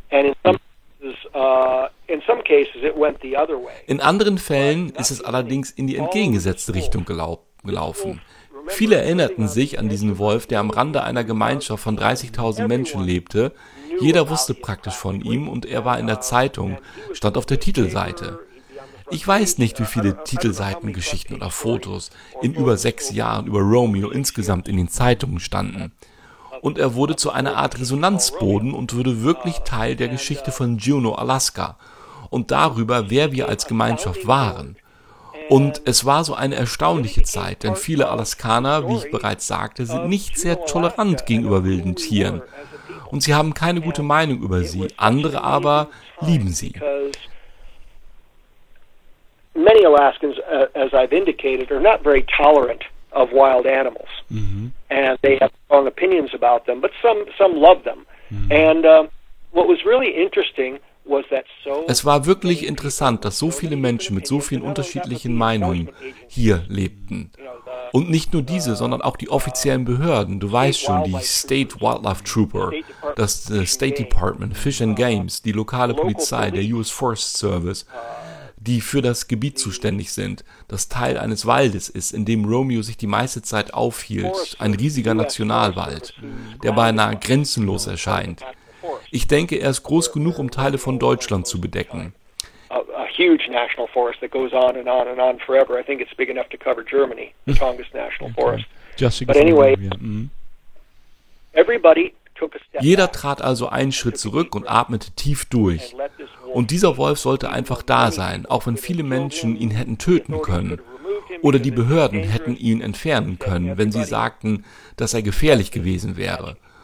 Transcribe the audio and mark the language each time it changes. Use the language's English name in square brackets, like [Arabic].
[English] And in some cases it went the other way. [German] In anderen Fällen ist es allerdings in die entgegengesetzte Richtung gelaufen. Viele erinnerten sich an diesen Wolf, der am Rande einer Gemeinschaft von 30.000 Menschen lebte. Jeder wusste praktisch von ihm und er war in der Zeitung, stand auf der Titelseite. Ich weiß nicht, wie viele Titelseiten, Geschichten oder Fotos in über 6 Jahren über Romeo insgesamt in den Zeitungen standen. Und er wurde zu einer Art Resonanzboden und wurde wirklich Teil der Geschichte von Juneau, Alaska und darüber, wer wir als Gemeinschaft waren. Und es war so eine erstaunliche Zeit, denn viele Alaskaner, wie ich bereits sagte, sind nicht sehr tolerant gegenüber wilden Tieren. Und sie haben keine gute Meinung über sie, andere aber lieben sie. [English] Many Alaskans, as I've indicated, are not very tolerant of wild animals, and they have strong opinions about them. But some love them. Mm-hmm. And what was really interesting was that so. [German] Es war wirklich interessant, dass so viele Menschen mit so vielen unterschiedlichen Meinungen hier lebten. Und nicht nur diese, sondern auch die offiziellen Behörden. Du weißt schon, die State Wildlife Trooper, das State Department, Fish and Games, die lokale Polizei, der US Forest Service, die für das Gebiet zuständig sind, das Teil eines Waldes ist, in dem Romeo sich die meiste Zeit aufhielt, ein riesiger Nationalwald, der beinahe grenzenlos erscheint. Ich denke, er ist groß genug, um Teile von Deutschland zu bedecken. [English] Huge national forest that goes on and on and on forever. I think it's big enough to cover Germany, the strongest national forest. Just but anyway, everybody took a step. [German] Jeder trat also einen Schritt zurück und atmete tief durch. Und dieser Wolf sollte einfach da sein, auch wenn viele Menschen ihn hätten töten können. Oder die Behörden hätten ihn entfernen können, wenn sie sagten, dass er gefährlich gewesen wäre.